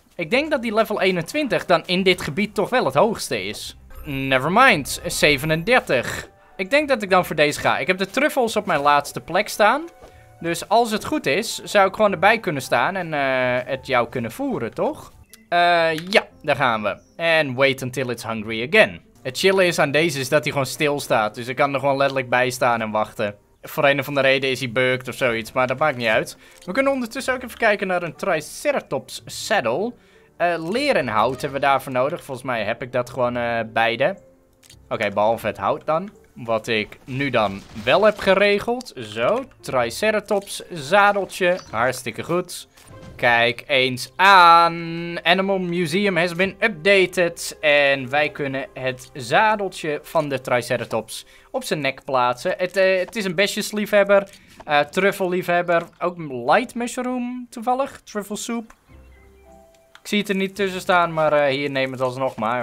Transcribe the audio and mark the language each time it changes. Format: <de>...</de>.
<nl>Ik denk dat die level 21 dan in dit gebied toch wel het hoogste is.</nl> <en>Never mind.</en> <nl>37. Ik denk dat ik dan voor deze ga. Ik heb de truffels op mijn laatste plek staan. Dus als het goed is, zou ik gewoon erbij kunnen staan en het jou kunnen voeren, toch? Ja, daar gaan we.</nl> <en>And wait until it's hungry again.</en> <nl>Het chille is aan deze is dat hij gewoon stil staat. Dus ik kan er gewoon letterlijk bij staan en wachten. Voor een of andere reden is hij beukt of zoiets, maar dat maakt niet uit. We kunnen ondertussen ook even kijken naar een Triceratops saddle. Lerenhout hebben we daarvoor nodig. Volgens mij heb ik dat gewoon beide. Oké, behalve het hout dan. Wat ik nu dan wel heb geregeld. Zo, Triceratops zadeltje. Hartstikke goed. Kijk eens aan.</nl> <en>Animal Museum has been updated.</en> <nl>En wij kunnen het zadeltje van de Triceratops op zijn nek plaatsen. Het is een besjesliefhebber. Truffelliefhebber. Ook light mushroom toevallig. Truffle soup. Ik zie het er niet tussen staan, maar hier neem het alsnog maar.</nl>